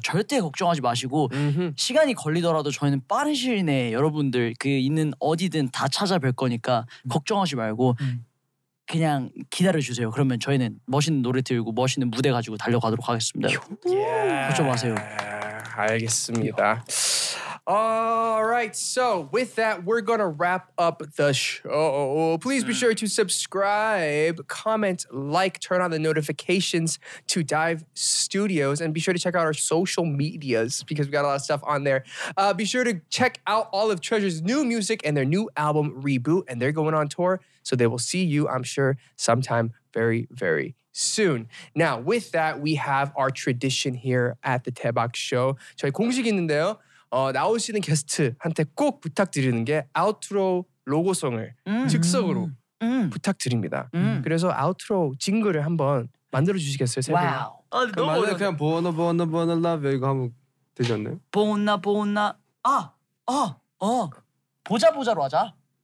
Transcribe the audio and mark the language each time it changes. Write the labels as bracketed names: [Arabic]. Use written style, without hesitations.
[Korean] 절대 걱정하지 마시고 음흠. 시간이 걸리더라도 저희는 빠른 시일 내에 여러분들 그 있는 어디든 다 찾아뵐 거니까 걱정하지 말고 그냥 기다려주세요. 그러면 저희는 멋있는 노래 들고 멋있는 무대 가지고 달려가도록 하겠습니다. 걱정 마세요. 알겠습니다. [English] Alright, so with that, we're gonna wrap up the show. Please be sure to subscribe, comment, like, turn on the notifications to Dive Studios, and be sure to check out our social medias because we got a lot of stuff on there. Be sure to check out all of Treasure's new music and their new album, Reboot, and they're going on tour, so they will see you, I'm sure, sometime very, very soon. Now, with that, we have our tradition here at the 대박 show. [Korean] 저희 공식이 있는데요. 나오시는 게스트한테 꼭 부탁드리는 게 아우트로 로고송을 즉석으로 부탁드립니다. 그래서 아우트로 징글을 한번 만들어주시겠어요? 세 와우. 아, 너무 만약에 그냥 보너 보너 보너 러브 이거 하면 되지 않나요? 보나 보나 아! 아! 어! 보자 보자로 하자.